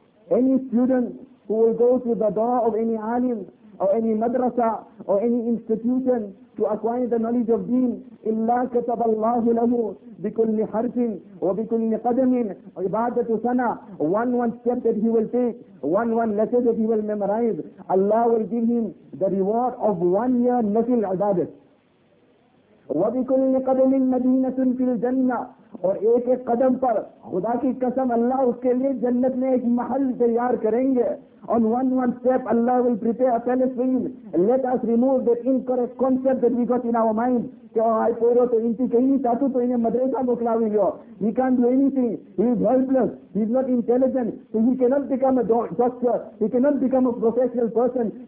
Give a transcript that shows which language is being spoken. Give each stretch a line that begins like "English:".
English: Any student who will go to the door of any alim or any madrasa or any institution to acquire the knowledge of deen,
Arabic: إِلَّا كَتَبَ اللَّهُ لَهُ بِكُلِّ حَرْفٍ وَبِكُلِّ قَدَمٍ عِبَادَةُ سَنَى.
English: One step that he will take, one lesson that he will memorize, Allah will give him the reward of 1 year nafil ibadat.
Arabic: وَبِكُلِّ قَدَمٍ مَدِينَةٌ فِي الْجَنَّةِ.
Urdu: اور ایک ایک قدم پر خدا کی قسم اللہ اس کے لئے جنت میں ایک محل تیار کریں گے.
English: On one step Allah will prepare a palace for him. Let us remove that incorrect concept that we got in our mind. He can't do anything. He is helpless. He is not intelligent. So he cannot become a doctor. He cannot become a professional person.